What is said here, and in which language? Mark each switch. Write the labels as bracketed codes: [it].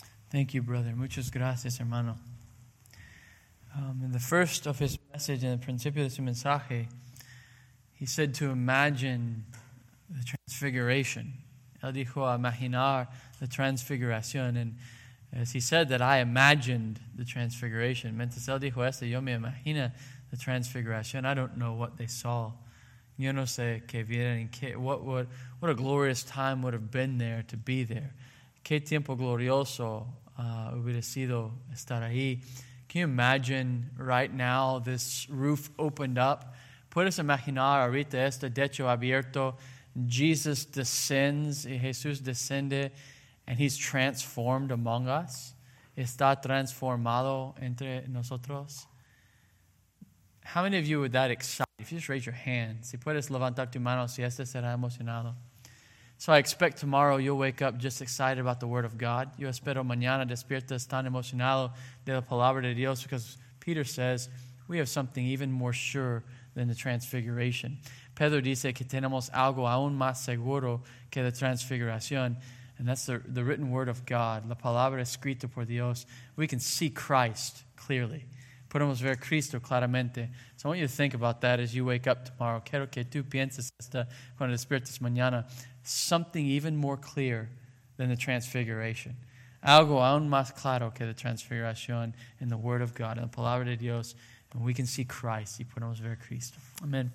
[en] Thank you, brother. [es] Muchas gracias, hermano. [en] In the first of his message, in the [es] principio de su mensaje, [en] he said to imagine the transfiguration. [es] Él dijo a imaginar la transfiguración. [en] And as he said that, I imagined the transfiguration. [es] Mientras él dijo esto, yo me imagino [en] the transfiguration. I don't know what they saw. [es] Yo no sé qué vieron. [en] What a glorious time would have been there to be there. [es] Qué tiempo glorioso hubiera sido estar ahí. [en] Can you imagine right now this roof opened up? [es] Puedes imaginar ahorita este techo abierto. [en] Jesus descends, [es] y Jesús descende, [en] and he's transformed among us. [es] Está transformado entre nosotros. [en] How many of you would that excite? If you just raise your hand, [es] si puedes levantar tu mano, si este será emocionado. [en] So I expect tomorrow you'll wake up just excited about the Word of God. [es] Yo espero mañana despiertas tan emocionado de la Palabra de Dios, [en] because Peter says we have something even more sure than the transfiguration. [es] Pedro dice que tenemos algo aún más seguro que la transfiguración, [en] and that's the written Word of God, [es] la Palabra escrita por Dios. [en] We can see Christ clearly. [es] Podemos ver Cristo claramente. [en] So I want you to think about that as you wake up tomorrow. [es] Quiero que tú pienses esta cuando despiertas mañana. [en] Something even more clear than the transfiguration. [es] Algo aún más claro que la transfiguración en [en] the Word of God, [es] en la Palabra de Dios. [en] And we can see Christ [es] y podemos ver Cristo. Amen.